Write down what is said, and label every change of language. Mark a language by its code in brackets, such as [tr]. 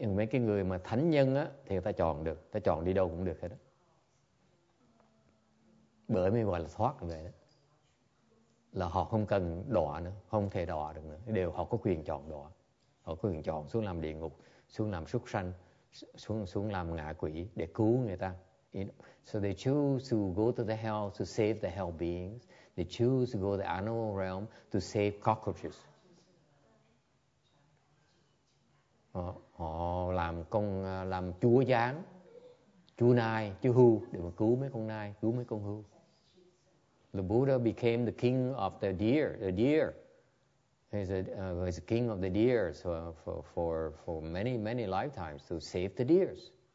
[vi] Cái người mà thánh nhân á thì người ta chọn được, ta chọn đi đâu cũng được hết đó. Bởi mới gọi là thoát về đó. Là họ không cần đọa nữa, không thể đọa được nữa. Đều họ có quyền chọn đọa. Họ có quyền chọn xuống làm địa ngục, xuống làm súc sanh, xuống làm ngạ quỷ để cứu người ta. [en] You know, so they choose to go to the hell to save the hell beings. They choose to go to the animal realm to save cockroaches. [vi] Họ làm công làm chúa gián, chúa nai, chúa hưu để mà cứu mấy con nai, cứu mấy con hưu. [en] The Buddha became the king of the deer. The deer. He's a king of the deer for many many lifetimes to save the deers.